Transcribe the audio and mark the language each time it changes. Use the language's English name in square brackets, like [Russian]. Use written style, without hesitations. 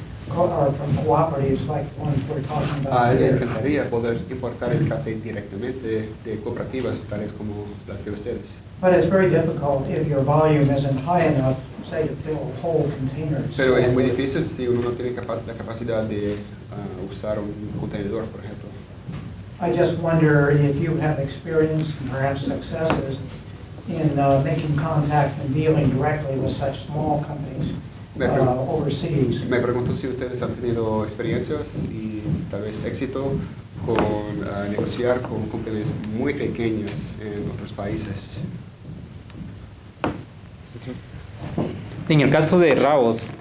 [English] cooperatives like the one we're talking about here. But it's very difficult if your volume isn't high enough, say, to fill whole containers. [Spanish] Pero es muy difícil si uno no tiene la capacidad de usar un contenedor, por ejemplo. [English] I just wonder if you have experience and perhaps successes in making contact and dealing directly with such small companies. [Spanish] Me pregunto si ustedes han tenido experiencias y tal vez éxito con negociar con compañías muy pequeñas en otros países. Okay. En el caso de Raos,